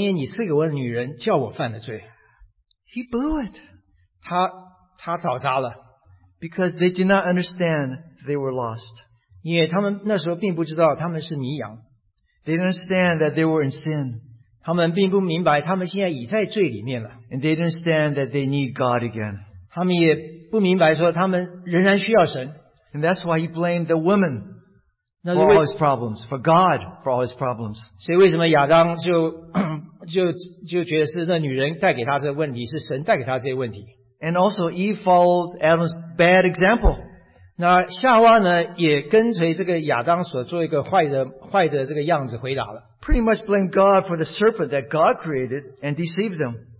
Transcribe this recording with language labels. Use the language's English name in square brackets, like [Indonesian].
[Chinese] 因为亚当回答神是这样说，他说：“因为你是个女人，叫我犯了罪。” [English] He blew it. [Chinese] 他倒塌了。 [English] Because they did not understand they were lost. [Chinese] 因为他们那时候并不知道他们是迷羊。 [English] They didn't understand that they were in sin. [Chinese] 他们并不明白他们现在已在罪里面了。 [English] And they didn't understand that they need God again. [Chinese] 他们也不明白说他们仍然需要神。 [English] And that's why he blamed the woman for all his problems, for God for all his problems. [Chinese] 所以为什么亚当就觉得是那女人带给他这个问题，是神带给他这些问题。 [English] And also Eve followed Adam's bad example. [Chinese] 那夏娃呢，也跟随这个亚当所做一个坏的这个样子回答了。 [English] Pretty much blame God for the serpent that God created and deceived them.